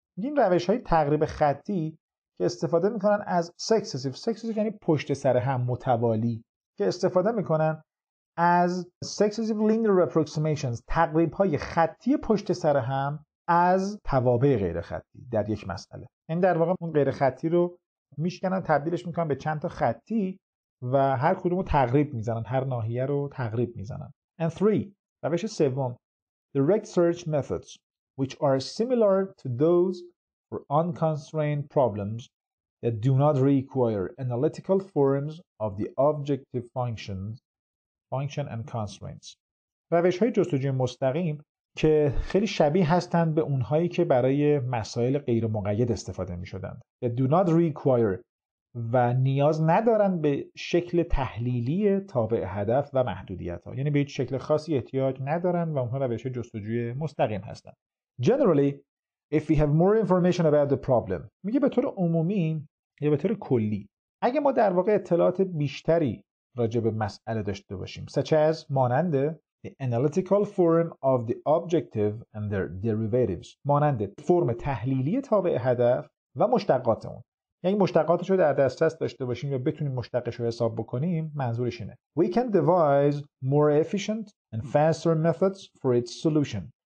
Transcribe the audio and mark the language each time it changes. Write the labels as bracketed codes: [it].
[fa] این روش‌های تقریب خطی که استفاده میکنن از successive یعنی پشت سر هم متوالی، که استفاده میکنن از [en] successive linear approximations، [fa] تقریب های خطی پشت سر هم از توابع غیر خطی در یک مسئله. این در واقع اون غیر خطی رو میشکنن، تبدیلش میکنن به چند تا خطی و هر کدوم رو تقریب میزنن، هر ناحیه رو تقریب میزنن. [en] And three، [fa] روش سوم، [en] direct search methods which are similar to those for unconstrained problems that do not require analytical forms of the objective function and constraints. [fa] روش‌های جستجوی مستقیم که خیلی شبیه هستند به اونهایی که برای مسائل غیر مقید استفاده می‌شدند. [en] That do not require [fa] و نیاز ندارن به شکل تحلیلی تابع هدف و محدودیت‌ها. یعنی به هیچ شکل خاصی احتیاج ندارن و اونها روش‌های جستجوی مستقیم هستند. [en] Generally, if we have more information about the problem. [fa] میگه به طور عمومی یا به طور کلی، اگه ما در واقع اطلاعات بیشتری راجع به مسئله داشته باشیم، [en] such as [fa] مانند [en] the analytical form of the objective and their derivatives، [fa] مانند فرم تحلیلی تابع هدف و مشتقات اون، یعنی مشتقاتش رو در دسترس داشته باشیم یا بتونیم مشتقش رو حساب بکنیم، منظورش اینه [en] we can devise more efficient and faster methods for its solution.